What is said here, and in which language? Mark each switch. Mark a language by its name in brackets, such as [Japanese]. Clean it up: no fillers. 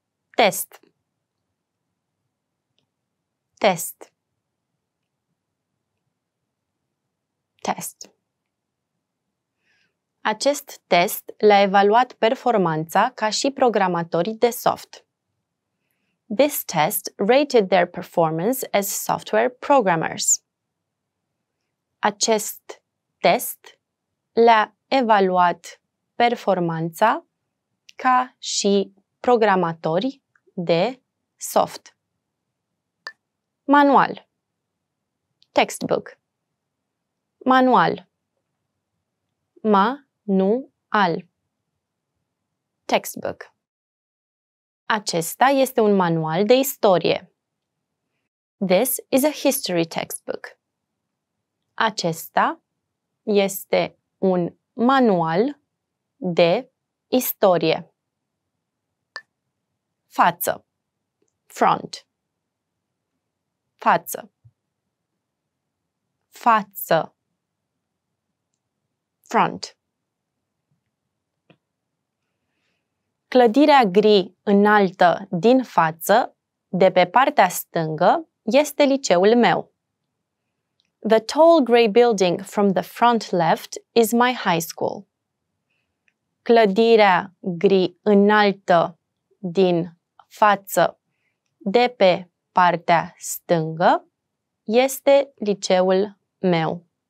[Romanian] Test. Test. Test. Acest test l-a evaluat performanța ca și programatorii de soft. [English] This test rated their performance as software programmers. [Romanian] Acest test l-a evaluat performanța ca și programatori de soft. Manual. [English] Textbook. [Romanian] Manual. Manual. [English] Textbook. [Romanian] Acesta este un manual de istorie. [English] This is a history textbook. [Romanian] Acesta este un manual de istorie. Față. [English] Front. [Romanian] Față. Față. [English] Front. [Romanian] Clădirea gri înaltă din față, de pe partea stângă, este liceul meu. [English] The tall gray building from the front left is my high school. [Romanian] Clădirea gri înaltă din față, de pe partea stângă, este liceul meu.